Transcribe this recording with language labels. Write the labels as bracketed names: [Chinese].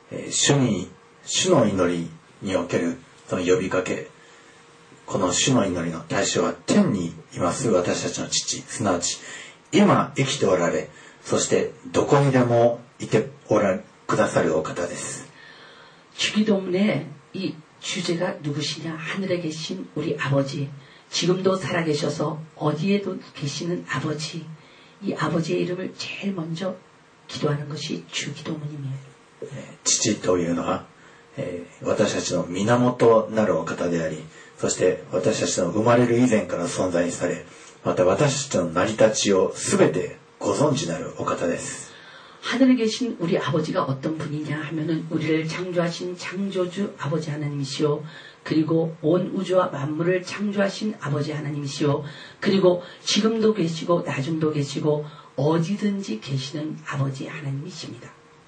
[Japanese] 主に主の祈りにおけるその呼びかけ、この主の祈りの対象は天にいます私たちの父、すなわち今生きておられ、そしてどこにでもいておられくださるお方です。 [Korean] 주기도문의이주제가누구시냐？ 하늘에계신우리아버지，지금도살아계셔서어디에도계시는아버지，이아버지의이름을제일먼저기도하는것이주기도문입니다。 [Japanese] 父というのは、私たちの源なるお方であり、そして私たちの生まれる以前から存在され、また私たちの成り立ちをすべてご存知なるお方です。 [Korean] 하늘에계신우리아버지가어떤분이냐하면은우리를창조하신창조주아버지하나님이시오，그리고온우주와만물을창조하신아버지하나님이시오，그리고지금도계시고나중도계시고어디든지계시는아버지하나님이십니다。